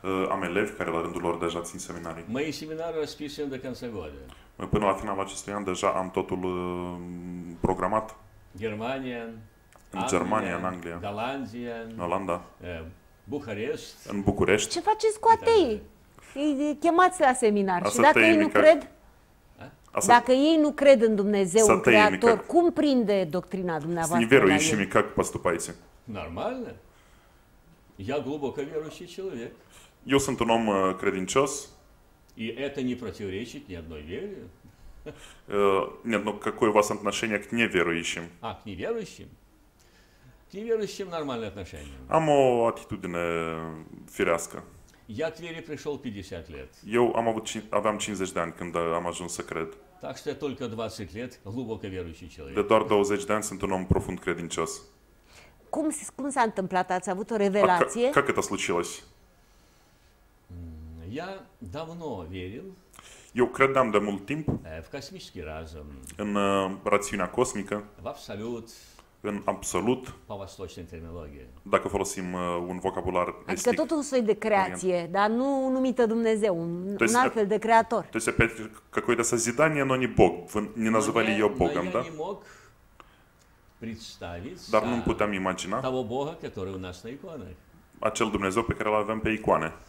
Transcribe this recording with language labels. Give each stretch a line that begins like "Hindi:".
Romanian: Am elevi care la rândul lor deja țin seminarii.
Russian: Мои семинары расписаны до конца года.
Romanian: Până la finalul acestui an deja am totul programat. Germania, în Germania, în Anglia, Galanzia, în Olanda, București. În București. Ce faceți cu ateii? Îi chemați la seminar. Și dacă ei nu cred? Dacă ei nu cred în Dumnezeu, în Creator, cum prinde doctrina dumneavoastră?
Russian: С неверующими как поступаете? Нормально. Я глубоко верующий человек.
Romanian: Eu sunt un om credincios.
Russian: И это не противоречит ни одной вере. Нет, но какое у вас отношение к неверующим? А, к неверующим? К неверующим нормальное отношение.
Romanian: Am o atitudine firească.
Russian: Я к вере пришел 50 лет.
Romanian: Eu am avut, aveam 50 de ani când am ajuns să cred.
Russian: Так что я только 20 лет глубоко верующий человек.
Romanian: De doar 20 de ani sunt un om profund credincios. Cum s-a întâmplat? Ați avut o revelație?
Russian: Как это случилось? Я давно верил.
Romanian: Eu credeam de mult timp.
Russian: В космический разум.
Romanian: În rațiunea cosmică.
Russian: В абсолют.
Romanian: În absolut.
Russian: По восточной терминологии.
Romanian: Dacă folosim un vocabular estic. Adică tot un soi de creație, dar nu numită Dumnezeu, un altfel de creator.
Russian: То есть опять какое-то созидание, но не Бог. Вы не называли его Богом, да? Представить.
Romanian: Dar nu puteam imagina.
Russian: Того Бога, который у нас на иконах.
Romanian: Acel Dumnezeu pe care l-avem pe icoane.